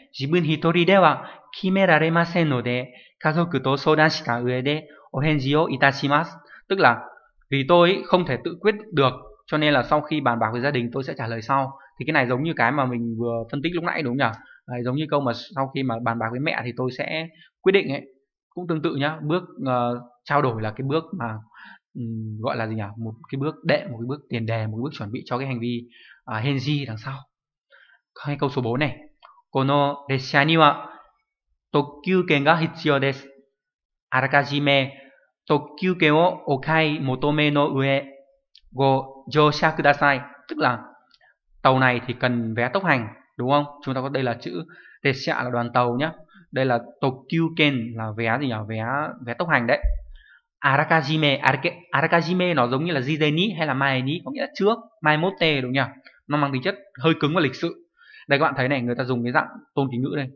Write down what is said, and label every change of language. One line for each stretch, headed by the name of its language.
Japanese: Jibun hitori では kimerare ませんので、家族と相談した上でお返事をいたします。
Vietnamese: Tức là vì tôi không thể tự quyết được cho nên là sau khi bàn bạc với gia đình tôi sẽ trả lời sau. Thì cái này giống như cái mà mình vừa phân tích lúc nãy đúng không nhỉ? Đấy, giống như câu mà sau khi mà bàn bạc với mẹ thì tôi sẽ quyết định ấy. Cũng tương tự nhá, bước trao đổi là cái bước mà gọi là gì nhỉ? Một cái bước đệm, một cái bước tiền đề, một cái bước chuẩn bị cho cái hành vi henji đằng sau. Hay câu số 4 này.
Japanese: この列車には特急券が必要です。あらかじめ特急券をお買い求めの上ご乗車ください。
Vietnamese: Tức là Tàu này thì cần vé tốc hành, đúng không? Chúng ta có đây là chữ Tesea là đoàn tàu nhé. Đây là Tokyuken là vé gì nhỉ? Vé vé tốc hành đấy. Arakajime nó giống như là Jizeni hay là Maeni, có nghĩa là trước, mai mốt tê đúng nhỉ? Nó mang tính chất hơi cứng và lịch sự. Đây các bạn thấy này, người ta dùng cái dạng tôn kính ngữ đây.